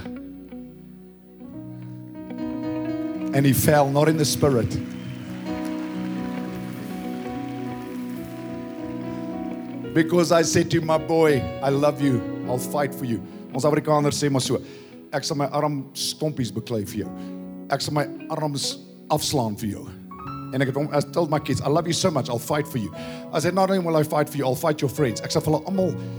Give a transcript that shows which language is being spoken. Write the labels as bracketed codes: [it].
[en] And he fell, not in the spirit. Because I said to my boy, I love you, I'll fight for you. [af] Ons Afrikaners sê maar so, ek sal my arm stompies beklei vir jou. Ek sal my arms afslaan vir jou. [en] And I told my kids, I love you so much, I'll fight for you. I said, not only will I fight for you, I'll fight your friends. [af] Ek sal vir hulle almal.